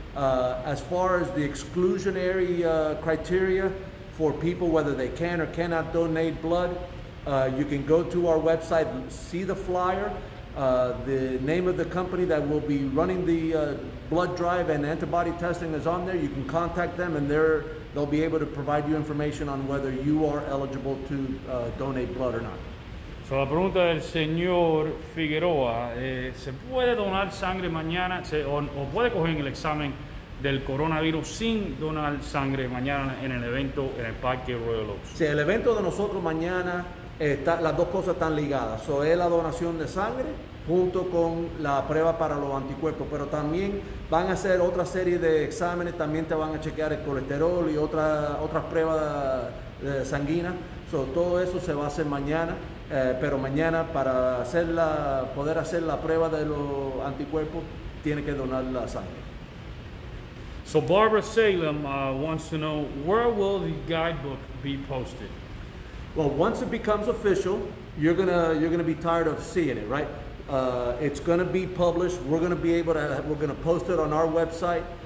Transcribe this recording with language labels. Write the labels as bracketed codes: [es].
[en] As far as the exclusionary criteria for people, whether they can or cannot donate blood, you can go to our website, see the flyer. The name of the company that will be running the blood drive and antibody testing is on there. You can contact them, and they'll be able to provide you information on whether you are eligible to donate blood or not. [es] So la pregunta del señor Figueroa, ¿se puede donar sangre mañana o puede coger el examen del coronavirus sin donar sangre mañana en el evento en el parque Royal Oaks? Sí, el evento de nosotros mañana, las dos cosas están ligadas. So, es la donación de sangre junto con la prueba para los anticuerpos, pero también van a hacer otra serie de exámenes, también te van a chequear el colesterol y otras pruebas sanguíneas. So, todo eso se va a hacer mañana, pero mañana para poder hacer la prueba de los anticuerpos tiene que donar la sangre. [en] So Barbara Salem wants to know, where will the guidebook be posted? Well, once it becomes official, you're gonna be tired of seeing it, right? It's gonna be published. We're gonna post it on our website.